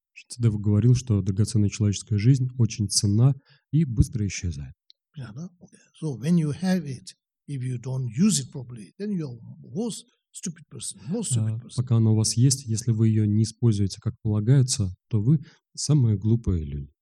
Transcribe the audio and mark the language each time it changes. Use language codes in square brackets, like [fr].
[ru] Шанти Дева говорил, что драгоценная человеческая жизнь очень ценна и быстро исчезает. Понял, да? Okay. [en] So when you have it, if you don't use it properly, then you're most stupid person. Most stupid person. [ru] Пока она у вас есть, если вы ее не используете, как полагается, то вы самые глупые люди.